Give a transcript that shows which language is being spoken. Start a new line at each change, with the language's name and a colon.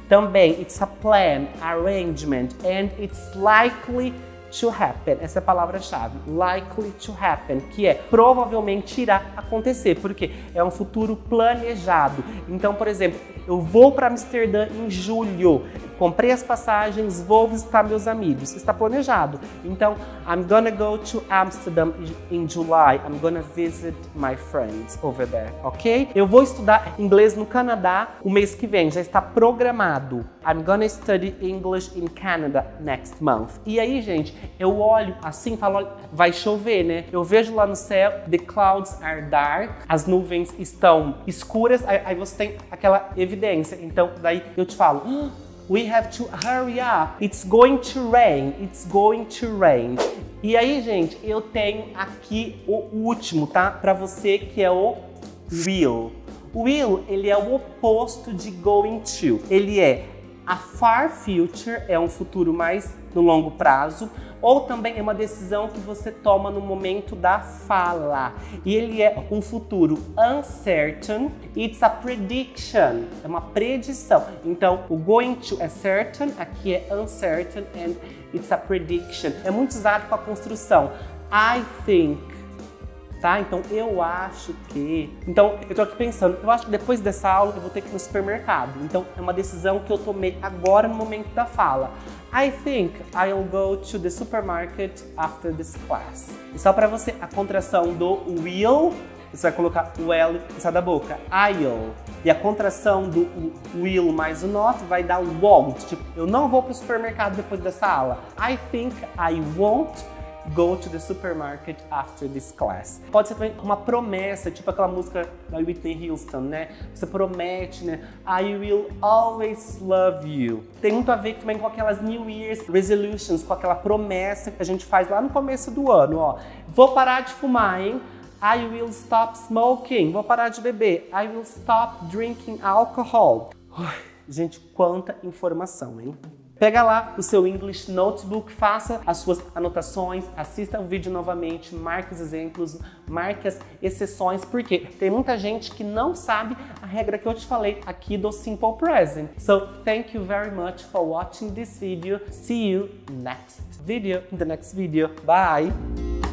Portuguese: Também,
English: it's a plan, arrangement, and it's likely to happen.
Portuguese: Essa é a palavra-chave,
English: likely to happen,
Portuguese: que é provavelmente irá acontecer, porque é um futuro planejado. Então, por exemplo, eu vou para Amsterdã em julho, comprei as passagens, vou visitar meus amigos, está planejado.
English: Então, I'm gonna go to Amsterdam in July, I'm gonna visit my friends over there, ok?
Portuguese: Eu vou estudar inglês no Canadá o mês que vem, já está programado.
English: I'm gonna study English in Canada next month.
Portuguese: E aí, gente, eu olho assim e falo, vai chover, né? Eu vejo lá no céu,
English: the clouds are dark,
Portuguese: as nuvens estão escuras, aí você tem aquela evidência. Então, daí eu te falo,
English: we have to hurry up, it's going to rain, it's going to rain.
Portuguese: E aí, gente, eu tenho aqui o último, tá? Pra você, que é o will. Will, ele é o oposto de going to. Ele é a
English: far future,
Portuguese: é um futuro mais no longo prazo, ou também é uma decisão que você toma no momento da fala. E ele é um futuro
English: uncertain, it's a prediction,
Portuguese: é uma predição. Então, o going to é certain, aqui é
English: uncertain, and it's a prediction.
Portuguese: É muito usado com a construção,
English: I think,
Portuguese: tá? Então, eu acho que... Então, eu tô aqui pensando, eu acho que depois dessa aula eu vou ter que ir no supermercado. Então, é uma decisão que eu tomei agora no momento da fala.
English: I think I'll go to the supermarket after this class.
Portuguese: E só pra você, a contração do will, você vai colocar o L em cima da boca. I'll. E a contração do will mais o not vai dar won't. Tipo, eu não vou pro supermercado depois dessa aula.
English: I think I won't go to the supermarket after this class.
Portuguese: Pode ser também uma promessa, tipo aquela música da Whitney Houston, né? Você promete, né?
English: I will always love you.
Portuguese: Tem muito a ver também com aquelas
English: New Year's resolutions,
Portuguese: com aquela promessa que a gente faz lá no começo do ano, ó. Vou parar de fumar, hein?
English: I will stop smoking.
Portuguese: Vou parar de beber.
English: I will stop drinking alcohol.
Portuguese: Ai, gente, quanta informação, hein? Pega lá o seu English Notebook, faça as suas anotações, assista o vídeo novamente, marque os exemplos, marque as exceções, porque tem muita gente que não sabe a regra que eu te falei aqui do Simple Present.
English: So, thank you very much for watching this video. See you next video, in the next video. Bye!